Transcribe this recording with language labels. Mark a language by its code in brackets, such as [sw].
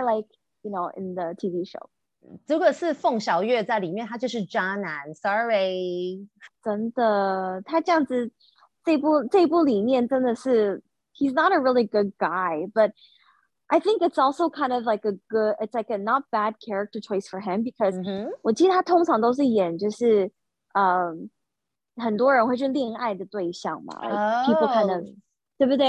[en] were like, you know, in the TV show. [zh] 如果是凤小岳在里面，他就是渣男，Sorry。真的，他这样子，这部里面真的是。 [en] He's not a really good guy, but I think it's also kind of like a good, it's like a not bad character choice for him because [zh] 我记得他通常都是演就是，很多人会去恋爱的对象嘛， [en] like people kind of, [zh] 对不对？